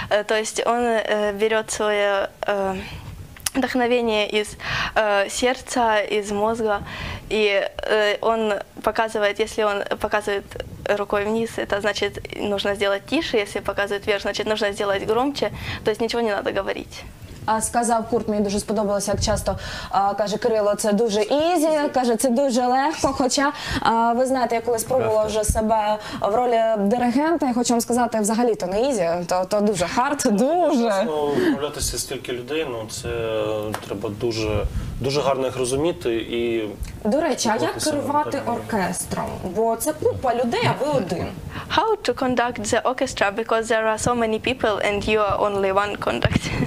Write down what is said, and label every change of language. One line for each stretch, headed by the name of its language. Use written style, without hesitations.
Russian: То есть он берет свое вдохновение из сердца, из мозга, и он показывает, если он показывает рукой вниз, это значит, нужно сделать тише, если показывает вверх, значит, нужно сделать громче, то есть ничего не надо говорить.
Ukrainian: Сказав Курт, мені дуже сподобалося, як часто каже Кирило, це дуже ізі, каже, це дуже легко, хоча ви знаєте, я колись пробувала вже себе в ролі диригента, я хочу вам сказати, взагалі-то не ізі, то дуже хард, дуже. Вмовлятися стільки людей, ну це треба дуже, дуже гарно їх розуміти і... До речі, а як керувати оркестром? Бо це купа людей, а ви один.
English: How to conduct the orchestra, because there are so many people and you are only one conductor.